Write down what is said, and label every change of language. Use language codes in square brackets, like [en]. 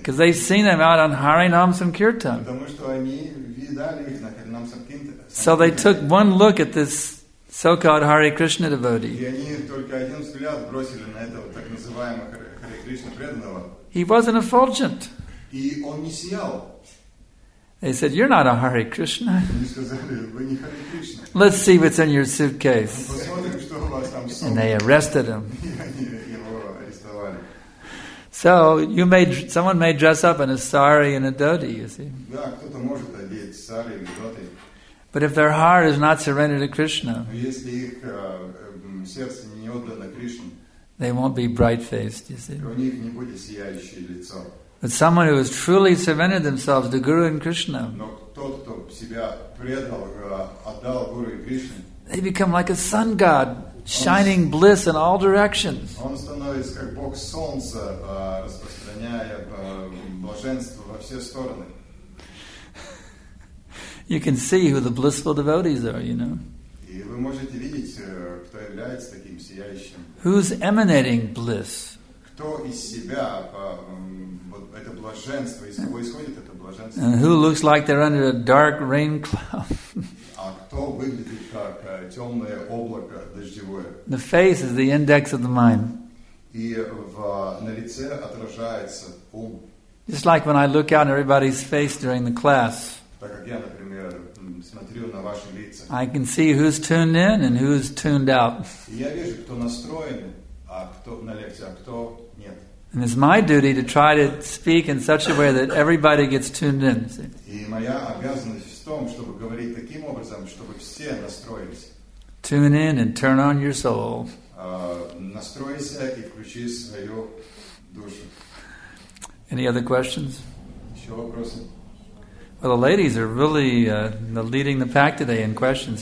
[en] Because they've seen them out on Harinam Sankirtan. [ru] Потому что они видали их на Харинам Санкиртане. [en] So they took one look at this so-called Hare Krishna devotee. [ru] И они только один взгляд бросили на этого так называемого Hare Krishna преданного. [en] He wasn't effulgent. [ru] И он не сиял. [en] They said, "You're not a Hare Krishna." [ru] Они сказали, вы не Hare Krishna. [en] Let's see what's in your suitcase. [ru] Посмотрим, что у вас там. [en] And they arrested him. [ru] Его арестовали. [en] So someone may dress up in a sari and a dhoti, you see. [ru] Да, кто-то может одеть сари или дхоти. [en] But if their heart is not surrendered to Krishna, [ru] если их сердце не отдано Кришне, [en] they won't be bright-faced, you see. [ru] У них не будет сияющее лицо. [en] But someone who has truly surrendered themselves to Guru and Krishna, [ru] но тот, кто себя предал, отдал Гуру и Кришне, [en] they become like a sun god, shining bliss in all directions. [ru] Он становится как бог солнца, распространяя блаженство во все стороны. [en] You can see who the blissful devotees are, you know. [ru] И вы можете видеть, кто является таким сияющим. [en] Who's emanating bliss? [ru] Кто из себя это блаженство, из кого исходит это блаженство? [en] And who looks like they're under a dark rain cloud? [ru] А кто выглядит как темное облако дождевое? [en] The face is the index of the mind. [ru] И на лице отражается ум. [en] Just like when I look out in everybody's face during the class. [ru] Так как я, например, смотрю на ваши лица. [en] I can see who's tuned in and who's tuned out. [ru] Я вижу, кто настроен, а кто на лекции, а кто нет. [en] And it's my duty to try to speak in such a way that everybody gets tuned in. [ru] И моя обязанность в том, чтобы говорить таким образом, чтобы все настроились. [en] Tune in and turn on your soul. [ru] Настройся и включи свою душу. [en] Any other questions? [ru] Еще вопросы? [en] Well, the ladies are really leading the pack today in questions.